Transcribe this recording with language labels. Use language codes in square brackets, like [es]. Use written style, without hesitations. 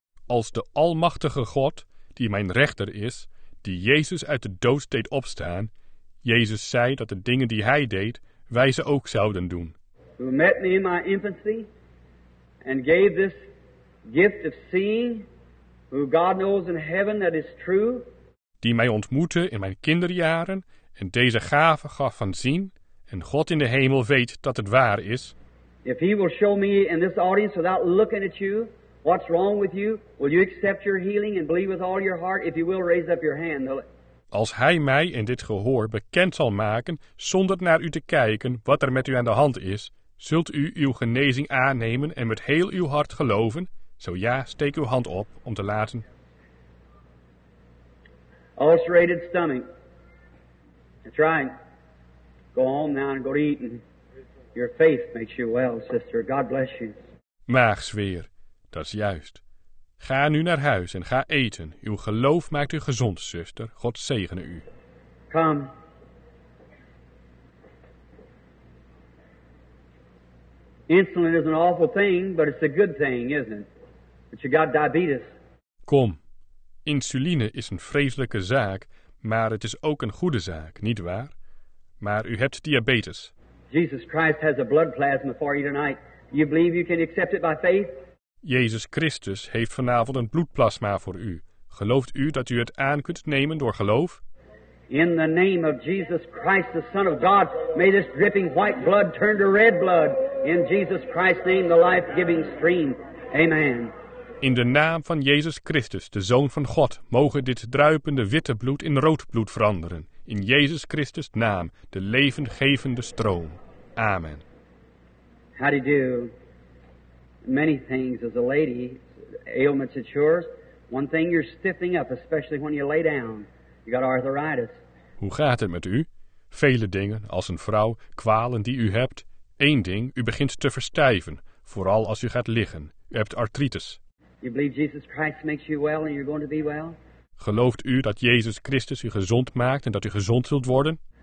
[nl] Als de Almachtige God, die mijn rechter is, die Jezus uit de dood deed opstaan, Jezus zei dat de dingen die hij deed, wij ze ook zouden doen. [en] Who met me in my infancy and gave this gift of seeing, who God knows in heaven that is true. [nl] Die mij ontmoette in mijn kinderjaren en deze gave gaf van zien, en God in de hemel weet dat het waar is. [en] If he will show me in this audience without looking at you, what's wrong with you? Will you accept your healing and believe with all your heart? If you will, raise up your hand. [nl] Als hij mij in dit gehoor bekend zal maken, zonder naar u te kijken wat er met u aan de hand is, zult u uw genezing aannemen en met heel uw hart geloven? Zo ja, steek uw hand op om te laten. [en] Ulcerated stomach. That's right. Go home now and go to eating. Your faith makes you well, sister. God bless you. [nl] Maagzweer. Dat is juist. Ga nu naar huis en ga eten. Uw geloof maakt u gezond, zuster. God zegene u. Kom. [en] Insulin is an awful thing, but it's a good thing, isn't it? But you got diabetes. [nl] Kom. Insuline is een vreselijke zaak, maar het is ook een goede zaak, niet waar? Maar u hebt diabetes. [en] Jesus Christ has a blood plasma for you tonight. You believe you can accept it by faith? [nl] Jezus Christus heeft vanavond een bloedplasma voor u. Gelooft u dat u het aan kunt nemen door geloof? [en] In the name of Jesus Christ, the Son of God, may this dripping white blood turn to red blood. In Jesus Christ's name, the life-giving stream. Amen. [nl] In de naam van Jezus Christus, de Zoon van God, mogen dit druipende witte bloed in rood bloed veranderen. In Jezus Christus' naam, de levengevende stroom. Amen. [en] How do you do? Many things as a lady, ailments it's yours. One thing you're stiffening up, especially when you lay down. You got arthritis. [nl] Hoe gaat het met u? Vele dingen, als een vrouw, kwalen die u hebt. Eén ding, u begint te verstijven, vooral als u gaat liggen. U hebt artritis. [en] You believe Jesus Christ makes you well and you're going to be well? [nl] Gelooft u dat Jezus Christus u gezond maakt en dat u gezond zult worden?